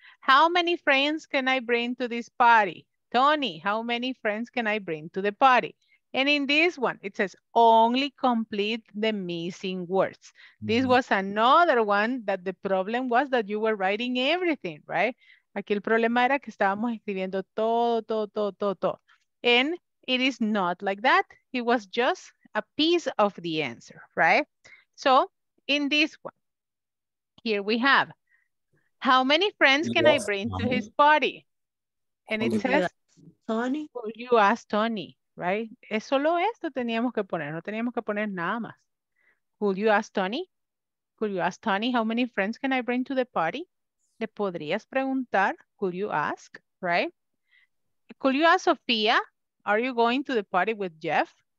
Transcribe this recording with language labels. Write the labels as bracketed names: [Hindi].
[English] How many friends can I bring to this party? Tony, how many friends can I bring to the party? And in this one, it says only complete the missing words. Mm-hmm. This was another one that the problem was that you were writing everything, right? [Spanish] Aquí el problema era que estábamos escribiendo todo, todo, todo, todo, todo. [English] And it is not like that. It was just a piece of the answer, right? So in this one, here we have, how many friends can I bring to his party? And it says, Tony. You asked Tony, right? [Spanish] Es solo esto teníamos que poner, no teníamos que poner nada más. [English] Could you ask Tony? Could you ask Tony, how many friends can I bring to the party? [Spanish] Le podrías preguntar, [English] could you ask, right? Could you ask Sofia, are you going to the party with Jeff?